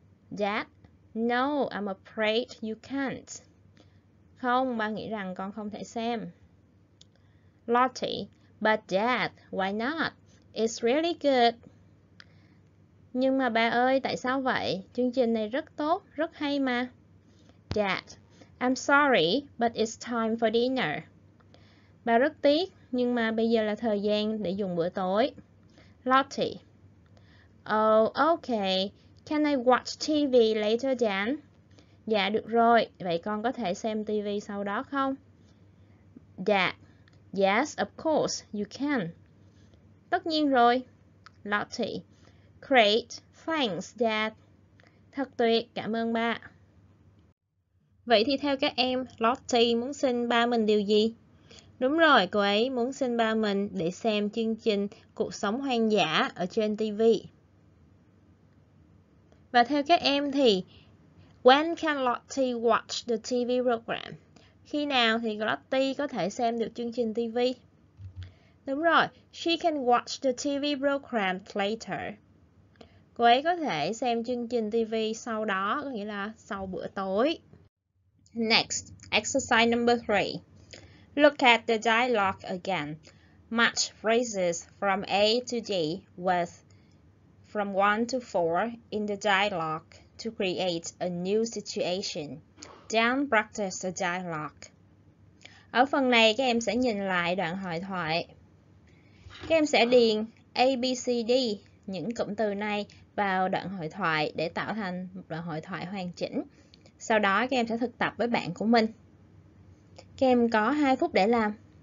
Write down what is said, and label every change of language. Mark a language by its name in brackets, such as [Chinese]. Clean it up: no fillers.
[English] Dad, no, I'm afraid you can't. [Vietnamese] Không, ba nghĩ rằng con không thể xem. Lottie, [English] but Dad, why not? It's really good. [Vietnamese] Nhưng mà ba ơi, tại sao vậy? Chương trình này rất tốt, rất hay mà. [English] Dad, I'm sorry, but it's time for dinner. [Vietnamese] Ba rất tiếc, nhưng mà bây giờ là thời gian để dùng bữa tối. [English] Lottie. Oh, okay. Can I watch TV later, Dan? [Vietnamese] Dạ, được rồi. Vậy con có thể xem TV sau đó không? [English] Dad. Yes, of course, you can. [Vietnamese] Tất nhiên rồi. [English] Lottie. Great. Thanks, Dad. [Vietnamese] Thật tuyệt. Cảm ơn ba. Vậy thì theo các em, Lottie muốn xin ba mình điều gì? Đúng rồi, cô ấy muốn xin ba mình để xem chương trình Cuộc sống hoang dã ở trên TV. Và theo các em thì, [English] when can Lottie watch the TV program? [Vietnamese] Khi nào thì Lottie có thể xem được chương trình TV? Đúng rồi, [English] she can watch the TV program later. [Vietnamese] Cô ấy có thể xem chương trình TV sau đó, có nghĩa là sau bữa tối. [English] Next, exercise number 3. Look at the dialogue again. Match phrases from A to D with from 1 to 4 in the dialogue to create a new situation. Then practice the dialogue. [Vietnamese] Ở phần này, các em sẽ nhìn lại đoạn hội thoại. Các em sẽ điền A, B, C, D, những cụm từ này vào đoạn hội thoại để tạo thành một đoạn hội thoại hoàn chỉnh. Sau đó các em sẽ thực tập với bạn của mình. Các em có 2 phút để làm.